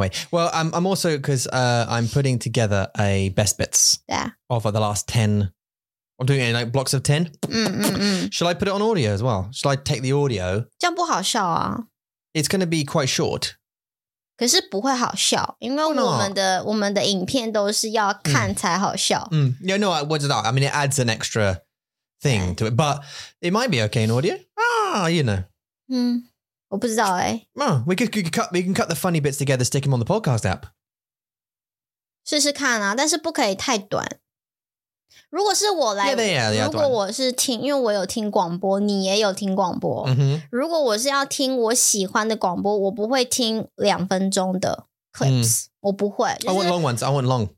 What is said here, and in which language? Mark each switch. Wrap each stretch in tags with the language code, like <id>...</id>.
<en>Well, I'm also because I'm putting together a best bits of the last 10. I'm doing it in like blocks of 10. Should I put it on audio as well? Should I take the audio?</en> <zh>这样不好笑啊。</zh> <en>It's going to be quite short.</en> <zh>可是不会好笑，因为我们的影片都是要看才好笑。</zh> <en>No, no, I don't know. I mean, it adds an extra thing to it, but it might be okay in audio. You know.</en> <zh>我不知道欸。</zh> <en>We can cut the funny bits together, stick them on the podcast app.</en> <zh>试试看啊，但是不可以太短。如果是我来，</zh> <en>yeah,</en> <zh>如果我是听，因为我有听广播，你也有听广播。 Mm-hmm. 如果我是要听我喜欢的广播，我不会听两分钟的 clips，我不会。</zh> <en>就是、 I want long ones. I want long.</en>